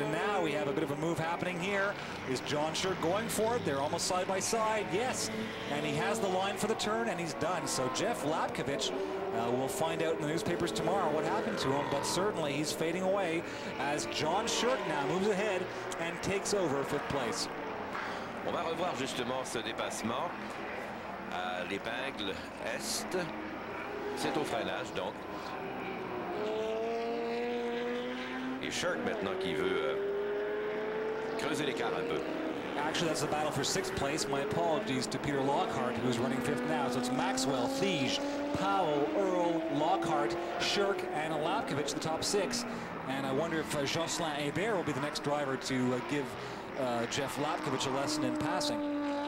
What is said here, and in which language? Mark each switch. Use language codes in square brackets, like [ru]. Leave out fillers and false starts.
[en] And now we have a bit of a move happening here. Is John Shirk going for it? They're almost side by side. Yes. And he has the line for the turn, and he's done. So Jeff Lapkevich, we'll find out in the newspapers tomorrow what happened to him. But certainly he's fading away as John Shirk now moves ahead and takes over fifth place. [fr] On va revoir justement ce dépassement à l'épingle Est. C'est au freinage, donc. Et Shirk maintenant qui veut creuser l'écart un peu. [en] Actually, that's the battle for sixth place. My apologies to Peter Lockhart, who's running fifth now. So it's Maxwell, Thiege, Powell, Earl, Lockhart, Shirk, and Lapkevich, the top six. And I wonder if Jocelyn Hébert will be the next driver to give Jeff Lapkevich a lesson in passing.